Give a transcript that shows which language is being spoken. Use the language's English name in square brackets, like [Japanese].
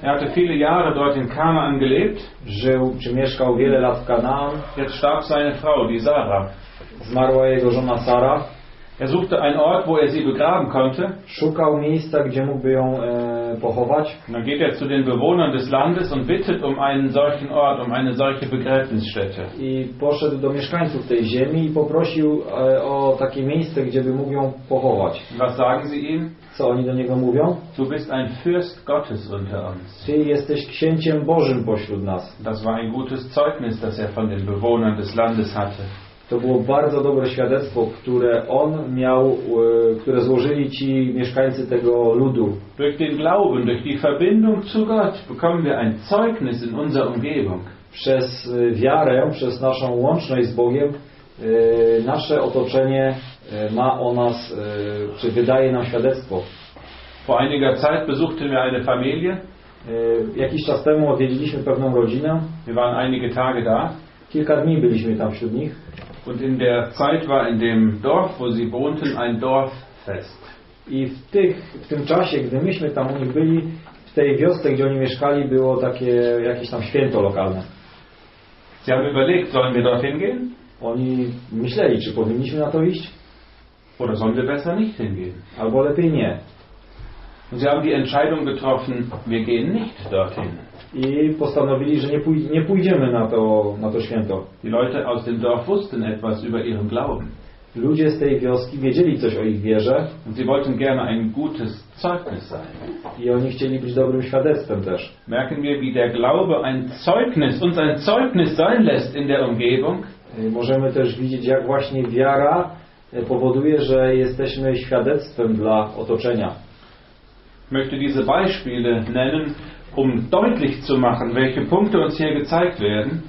[German] Er hatte viele Jahre dort in Kanaan gelebt. [Polish] Żył, czy mieszkał wiele lat w Kanaan. [German] Jetzt starb seine Frau, die Sarah. [Polish] Zmarła jego żona Sara. [German] Er suchte einen Ort, wo er sie begraben konnte. [Polish] Szukał miejsca, gdzie mógłby ją pochować. [German] Dann geht er zu den Bewohnern des Landes und bittet um einen solchen Ort, um eine solche Begräbnisstätte. [Polish] I poszedł do mieszkańców tej ziemi i poprosił o takie miejsce, gdzie by mógł ją pochować. [German] Was sagen sie ihm? [Polish] Co oni do niego mówią? [German] Du bist ein Fürst Gottes unter uns. [Polish] Ty jesteś księciem Bożym pośród nas. [German] Das war ein gutes Zeugnis, das er von den Bewohnern des Landes hatte. [Polish] To było bardzo dobre świadectwo, które on miał, które złożyli ci mieszkańcy tego ludu. [German] Durch den Glauben, durch die Verbindung zu Gott bekommen wir ein Zeugnis in unserer Umgebung. [Polish] Przez wiarę, przez naszą łączność z Bogiem, nasze otoczenie ma o nas, czy wydaje nam świadectwo. [German] Vor einiger Zeit besuchten wir eine Familie. [Polish] Jakiś czas temu odwiedziliśmy pewną rodzinę. [German] Wir waren einige Tage da. [Polish] Kilka dni byliśmy tam wśród nich. [German] Und in der Zeit war in dem Dorf, wo sie wohnten, ein Dorffest. [Polish] I w tym czasie, gdy myśmy tam u nich byli, w tej wiosce, gdzie oni mieszkali, było takie jakieś tam święto lokalne. [German] Sie haben überlegt, sollen wir dorthin gehen? [Polish] Oni myśleli, czy powinniśmy na to iść? [German] Oder sollen wir besser nicht hingehen? [Polish] Albo lepiej nie. [German] Und sie haben die Entscheidung getroffen, wir gehen nicht dorthin. [Polish] I postanowili, że nie pójdziemy na to święto. [German] Die Leute aus dem Dorf wussten etwas über ihren Glauben. [Polish] Ludzie z tej wioski wiedzieli coś o ich wierze. [German] Und sie wollten gerne ein gutes Zeugnis sein. [Polish] I oni chcieli być dobrym świadectwem też. [German] Merken wir, wie der Glaube ein Zeugnis, uns ein Zeugnis sein lässt in der Umgebung. [Polish] Możemy też widzieć, jak właśnie wiara powoduje, że jesteśmy świadectwem dla otoczenia. [German] Möchte diese Beispiele nennen, um deutlich zu machen, welche Punkte uns hier gezeigt werden.